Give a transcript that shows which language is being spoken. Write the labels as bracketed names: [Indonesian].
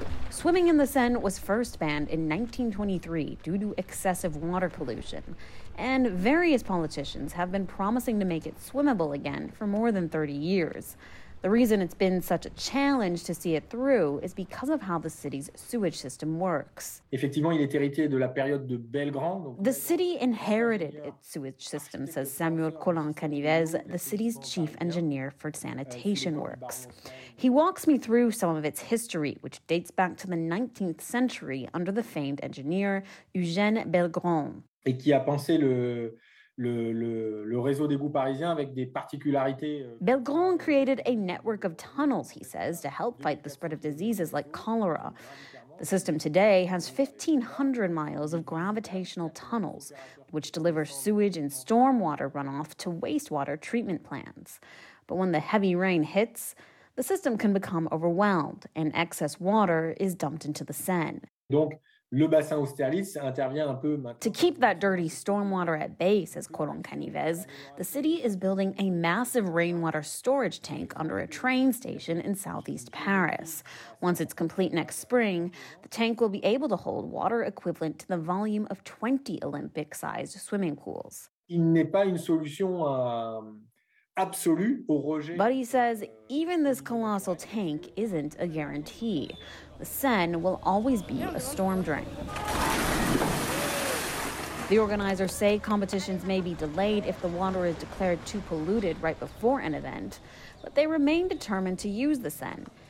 [English] Swimming in the Seine was first banned in 1923 due to excessive water pollution. And various politicians have been promising to make it swimmable again for more than 30 years. The reason it's been such a challenge to see it through is because of how the city's sewage system works. [French] Effectivement, il est hérité de la période de Bellegrand. [English] The city inherited its sewage system, says Samuel Colin Canivez, the city's chief engineer for sanitation works. He walks me through some of its history, which dates back to the 19th century under the famed engineer Eugène Bellegrand. [French] Et qui a pensé le réseau d'égouts parisien avec des particularités. [English] Bellegrand created a network of tunnels, he says, to help fight the spread of diseases like cholera. The system today has 1,500 miles of gravitational tunnels, which deliver sewage and stormwater runoff to wastewater treatment plants. But when the heavy rain hits, the system can become overwhelmed, and excess water is dumped into the Seine. [French] Donc, le bassin Austerlitz intervient un peu maintenant. [English] To keep that dirty stormwater at bay, says Colin Canivez, the city is building a massive rainwater storage tank under a train station in southeast Paris. Once it's complete next spring, the tank will be able to hold water equivalent to the volume of 20 Olympic-sized swimming pools. [French] Il n'est pas une solution absolue au rejet. [English] But he says even this colossal tank isn't a guarantee. The Seine will always be a storm drain. The organizers say competitions may be delayed if the water is declared too polluted right before an event, but they remain determined to use the Seine.